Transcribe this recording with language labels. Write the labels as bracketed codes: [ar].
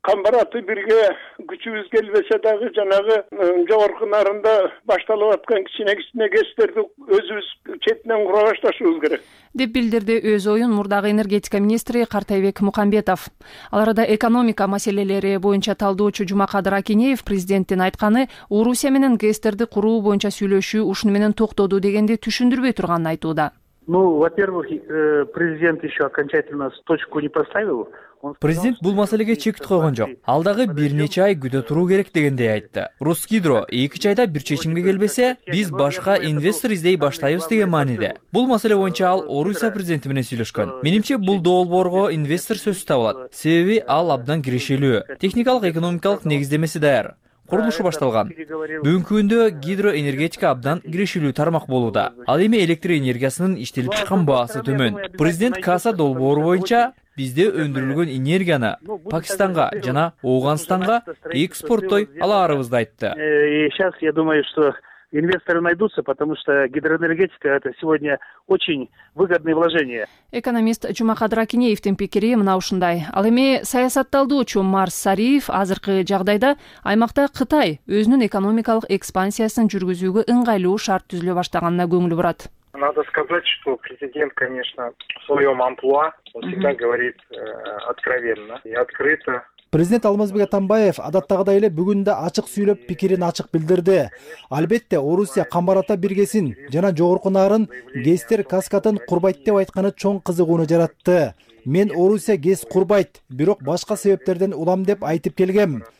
[ky] Камбараты бирге күчүбүз келбесе дагы жанагы жогорку нарында башталып аткан кичине-кичине кесиптерди өзүбүз четинен кура башташыбыз керек. Деп билдирди өз оюн мурдагы энергетика министри Картайбек Мукамбетов. Ал арада экономика маселелери боюнча талдоочу Жумакадыр Акинеев президенттин айтканы Орусия менен гестерди куруу боюнча сүйлөшүү ушуну менен токтоду дегенди түшүндүрбөй турганын айтууда. [ru] Ну, во-первых, президент еще окончательно точку не поставил. [ky] Президент бул маселеге чекит койгон жок. Алдагы бир нече ай күтө туруу керек дегендей айтты. Росгидро 2 айда бир чечимге келбесе, биз башка инвестор издей баштайбыз деген мааниде. Бул маселе боюнча ал Орусия президенти менен сүйлөшкөн. Менимче бул долбоорго инвестор сөзсүз табылат. Себеби ал абдан кирешелүү. Техникалык экономикалык негиздемеси даяр. Курулушу башталган. Бүгүнкү күндө гидроэнергетика абдан кирешилүү тармак болууда. Ал эми электр энергиясынын иштелип чыккан баасы төмөн. Президент КАСА долбоору боюнча бизде өндүрүлгөн энергияны Пакистанга жана Ооганстанга экспорттой алаарыбызды айтты. [ru] Сейчас я думаю, что инвесторы найдутся, потому что гидроэнергетика это сегодня очень выгодное вложение. [ky] Экономист Жумакадыр Акинеевтин пикири мына ушундай. Ал эми саясатталдоочу Марс Сариев азыркы жагдайда аймакта Кытай өзүнүн экономикалык экспансиясын жүргүзүүгө ыңгайлуу шарт түзүлө баштаганына көңүл бурат. [ru] Надо сказать, что президент, конечно, в своем амплуа, он всегда говорит откровенно и открыто. [ky] Президент Алмазбек Атамбаев адаттагыдай эле бүгүн да ачык сүйлөп пикирин ачык билдирди. Албетте, Орусия камбарата биргесин жана жогорку нарын гестер каскатын курбайт деп айтканы чоң кызыгууну жаратты. Мен Орусия гес курбайт, бирок башка себептерден улам деп айтып келгем.